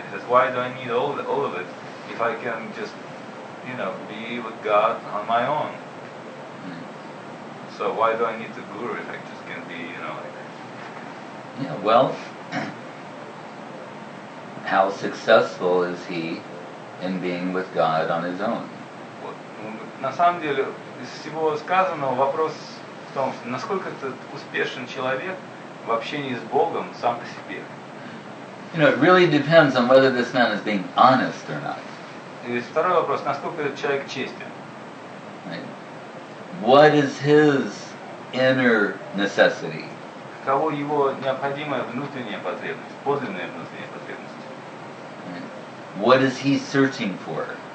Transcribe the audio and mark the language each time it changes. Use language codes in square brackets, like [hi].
[en] He says, why do I need all of it if I can just, be with God on my own? So why do I need the guru if I just can be, Yeah, well, how successful is he in being with God on his own? [ru] На самом деле, из всего сказанного, вопрос в том, насколько этот успешен человек в общении с Богом сам по себе. [en] You know, it really depends on whether this man is being honest or not. [ru] И второй вопрос, насколько этот человек честен. [en] What is his inner necessity? [ru] Каково его необходимая внутренняя потребность, подлинная внутренняя потребность? [en] What is he searching for?